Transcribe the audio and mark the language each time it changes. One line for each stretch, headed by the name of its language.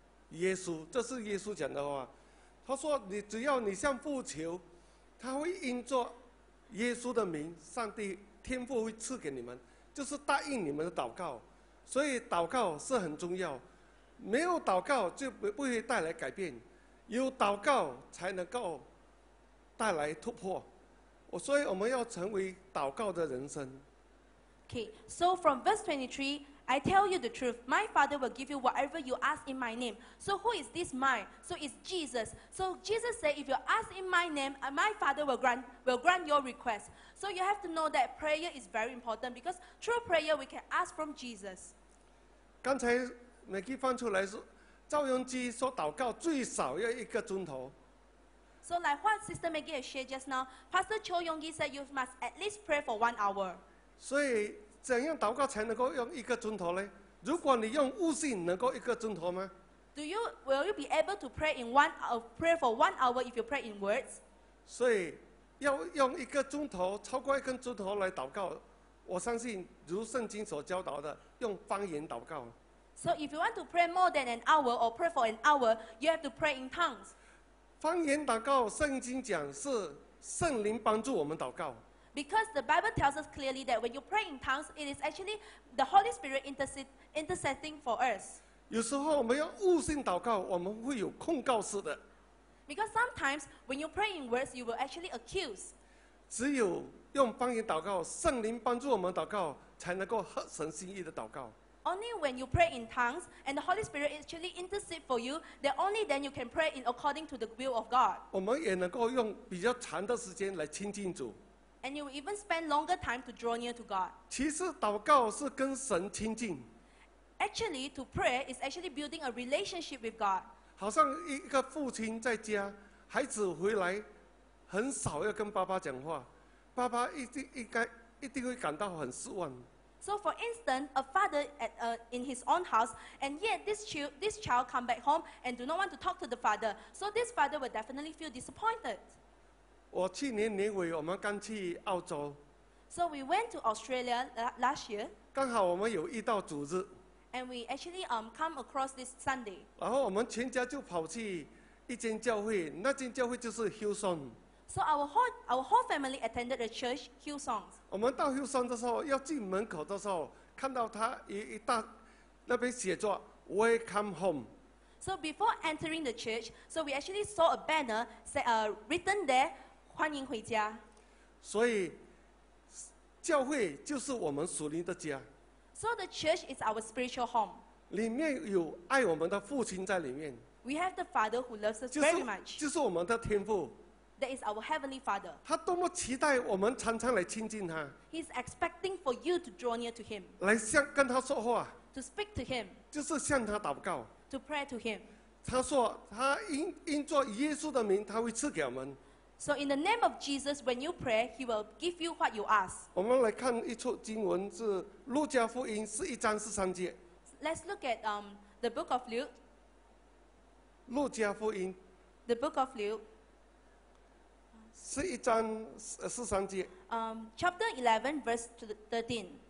Chinese: 耶稣，这是耶稣讲的话。他说，你只要你向父求，他会因着耶稣的名，上帝天父会赐给你们，就是答应你们的祷告。所以祷告是很重要，没有祷告就不会带来改变，有祷告才能够带来突破。所以我们要成为祷告的人生。
English: Okay, so from verse 23, I tell you the truth, my Father will give you whatever you ask in my name. So who is this mine? So it's Jesus. So Jesus said, if you ask in my name, my Father will grant your request. So you have to know that prayer is very important, because through prayer we can ask from Jesus.
Chinese: 刚才 Maggie 翻出来说，赵永基说祷告最少要一个钟头。
English: So like what Sister Maggie has shared just now, Pastor Cho Yonggi said you must at least pray for 1 hour.
Chinese: 所以怎样祷告才能够用一个钟头呢？如果你用悟性，能够一个钟头吗？
English: Will you be able to pray in pray for 1 hour if you pray in words?
Chinese: 所以要用一个钟头，超过一个钟头来祷告，我相信如圣经所教导的，用方言祷告。
English: So if you want to pray more than an hour or pray for an hour, you have to pray in tongues.
Chinese: 方言祷告，圣经讲是圣灵帮助我们祷告。
English: Because the Bible tells us clearly that when you pray in tongues, it is actually the Holy Spirit intercessing for us.
Chinese: 有时候我们要悟性祷告，我们会有控告式的。
English: Because sometimes when you pray in words, you will actually accuse.
Chinese: 只有用方言祷告，圣灵帮助我们祷告，才能够合神心意的祷告。
English: Only when you pray in tongues and the Holy Spirit actually intercede for you, that only then you can pray in according to the will of God.
Chinese: 我们也能够用比较长的时间来亲近主。
English: And you will even spend longer time to draw near to God.
Chinese: 其实祷告是跟神亲近。
English: Actually, to pray is actually building a relationship with God.
Chinese: 好像一个父亲在家，孩子回来，很少要跟爸爸讲话，爸爸一定会感到很失望。
English: So for instance, a father in his own house, and yet this child come back home and do not want to talk to the father. So this father will definitely feel disappointed.
Chinese: 我去年年尾我们刚去澳洲。
English: So we went to Australia last year.
Chinese: 刚好我们有一道主日。
English: And we actually come across this Sunday.
Chinese: 然后我们全家就跑去一间教会，那间教会就是 Hillsong。
English: So our whole family attended the church, Hillsong.
Chinese: 我们到 Hillsong 的时候，要进门口的时候，看到他一大那边写着
English: Welcome Home。 So before entering the church, so we actually saw a banner said, written there,
Chinese: 欢迎回家。所以教会就是我们属灵的家。
English: So the church is our spiritual home.
Chinese: 里面有爱我们的父亲在里面。
English: We have the Father who loves us very much.
Chinese: 就是我们的天父。
English: That is our heavenly Father.
Chinese: 他多么期待我们常常来亲近他。
English: He's expecting for you to draw near to him.
Chinese: 来向跟他说话。
English: To speak to him.
Chinese: 就是向他祷告。
English: To pray to him.
Chinese: 他说他因着耶稣的名他会赐给我们。
English: So in the name of Jesus, when you pray, he will give you what you ask.
Chinese: 我们来看一处经文是路加福音11:43。
English: Let's look at the book of Luke.
Chinese: 路加福音。
English: The book of Luke.
Chinese: 11:43。
English: Chapter 11, verse 13.